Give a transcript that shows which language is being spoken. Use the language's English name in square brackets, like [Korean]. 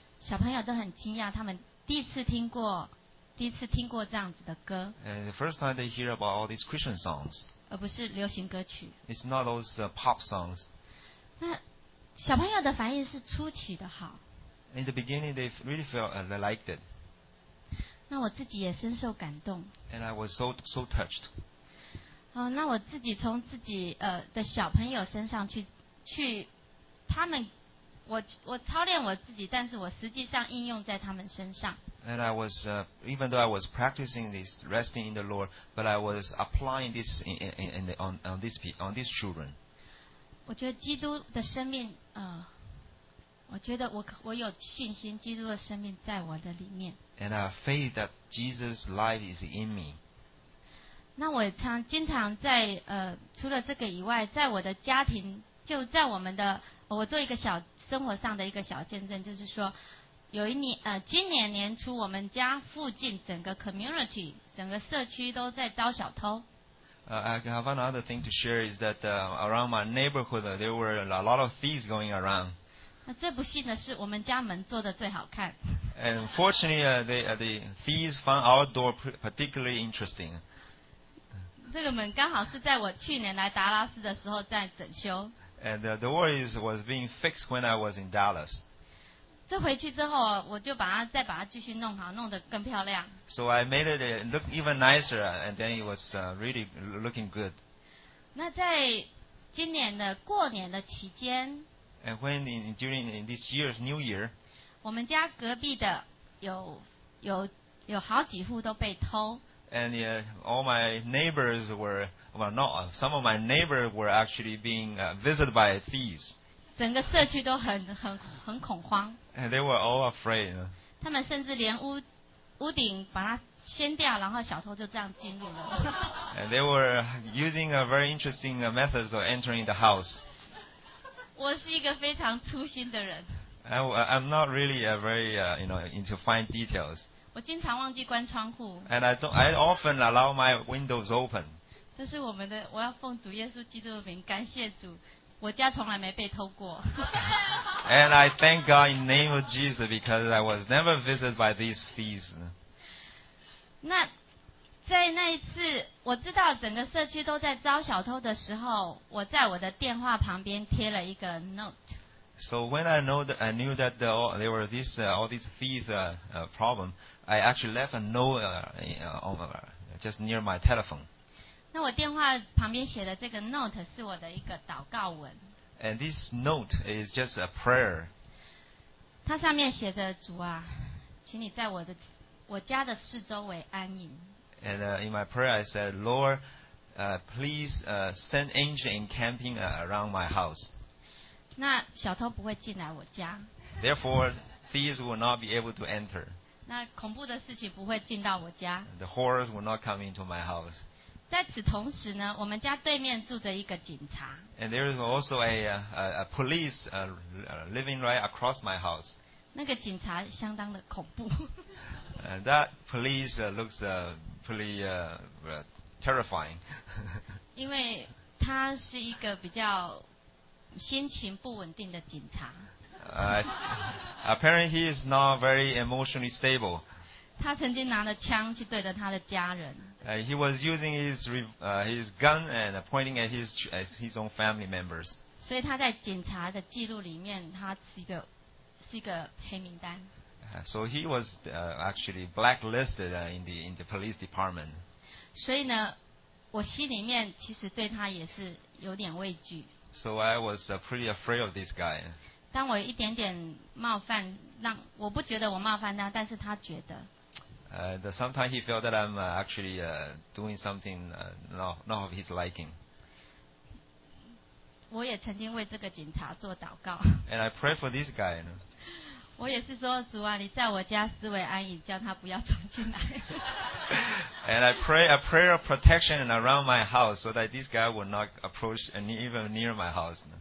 [Chinese] 小朋友都很惊讶，他们第一次听过这样子的歌。 [English] And the first time they hear about all these Christian songs. [Chinese] 而不是流行歌曲。 [English] It's not those pop songs. [Chinese] 那小朋友的反应是出奇的好。 [English] In the beginning, they really felt they liked it. [Chinese] 那我自己也深受感动。 [English] And I was so touched. [Chinese] 那我自己从自己的小朋友身上去，他们，我操练我自己，但是我实际上应用在他们身上。 [English] And I was, even though I was practicing this resting in the Lord, but I was applying this on these children. [Chinese] 我觉得基督的生命，我觉得我有信心，基督的生命在我的里面。 [English] And I have faith that Jesus' life is in me. [Chinese] 那我经常在除了这个以外，在我的家庭，就在我们的，我做一个小生活上的一个小见证，就是说。有一年，今年年初，我们家附近整个 community 整个社区都在招小偷。 [English] I have another thing to share is that around my neighborhood there were a lot of thieves going around. [Chinese] 那最不幸的是，我们家门做的最好看。 [English] And fortunately, the thieves found our door particularly interesting. [Chinese] 这个门刚好是在我去年来达拉斯的时候在整修。 [English] And the door was being fixed when I was in Dallas. [Chinese] 这回去之后，我就再把它继续弄好，弄得更漂亮。 [English] So I made it look even nicer, and then it was really looking good. [Chinese] 那在今年的过年的期间 [English] ，And when during this year's New Year, [Chinese] 我们家隔壁的有好几户都被偷。 [English] And all my neighbors were well, not some of my neighbors were actually being visited by thieves. [Chinese] 整个社区都很恐慌。 [English] And they were all afraid. [Chinese] 他们甚至连屋顶把它掀掉，然后小偷就这样进入了。 [English] They were using a very interesting method of entering the house. [Chinese] 我是一个非常粗心的人。 [English] I'm not really a very you know into fine details. [Chinese] 我经常忘记关窗户。 [English] And I often allow my windows open. [Chinese] 这是我们的，我要奉主耶稣基督的名感谢主。我家从来没被偷过。 [English] And I thank God in name of Jesus because I was never visited by these thieves. [Chinese] 那在那一次，我知道整个社区都在招小偷的时候，我在我的电话旁边贴了一个 note. [English] So when I know that, I knew that there were this all these thieves problem, I actually left a note over just near my telephone. [Chinese] 那我电话旁边写的这个 note 是我的一个祷告文。 [English] And this note is just a prayer. [Chinese] 它上面写着主啊，请你在我家的四周围安营。 [English] And in my prayer I said, Lord, please send angel encamping around my house. [Chinese] 那小偷不会进来我家。 [English] Therefore, thieves will not be able to enter. [Chinese] 那恐怖的事情不会进到我家。 [English] The horrors will not come into my house. [Chinese] 在此同时呢，我们家对面住着一个警察。 [English] And there is also a police living right across my house. [Chinese] 那个警察相当的恐怖。 [English] And that police looks pretty terrifying. [Chinese] 因为他是一个比较心情不稳定的警察。 [English] Apparently he is not very emotionally stable. [Chinese] 他曾经拿着枪去对着他的家人。 [English] He was using his gun and pointing at his own family members. [Chinese] 所以他在警察的记录里面，他是一个黑名单。 [English] So he was actually blacklisted in the police department. [Chinese] 所以呢，我心里面其实对他也是有点畏惧。 [English] So I was pretty afraid of this guy. [Chinese] 当我一点点冒犯，让我不觉得我冒犯他，但是他觉得。 [English] Sometimes he felt that I'm actually doing something not of his liking. [Chinese] 我也曾经为这个警察做祷告。 [English] And I pray for this guy. [Chinese] 我也是说，主啊，你在我家四围安营，叫他不要闯进来。 [English] And I pray a prayer of protection around my house so that this guy will not approach even near my house.